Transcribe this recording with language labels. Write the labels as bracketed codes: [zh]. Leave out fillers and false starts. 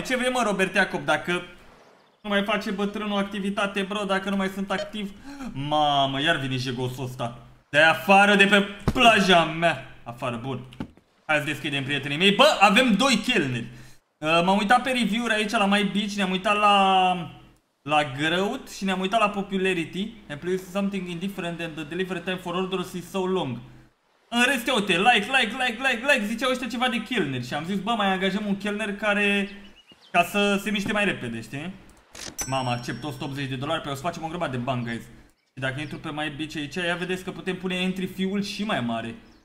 [ro] Ce vrei, mă, Robert Iacob, dacă nu mai face bătrânul activitate, bro, dacă nu mai sunt activ? Mamă, iar vine jegosul ăsta. De afară, de pe plaja mea. Afară, bun. Hai să deschidem, prietenii mei. Bă, avem doi chelneri. M-am uitat pe review-uri aici la My Beach, ne-am uitat la growth și ne-am uitat la popularity. [en] Employees something indifferent and the delivery time for orders is so long. [ro] În rest, uite, like, ziceau ăștia ceva de chelner și am zis, bă, mai angajăm un chelner care, ca să se miște mai repede, știi? Mama, accept 180 de dolari, pe o să facem o grămadă de bani, guys. Și dacă intru pe My Beach aici, ia vedeți că putem pune entry fee-ul și mai mare.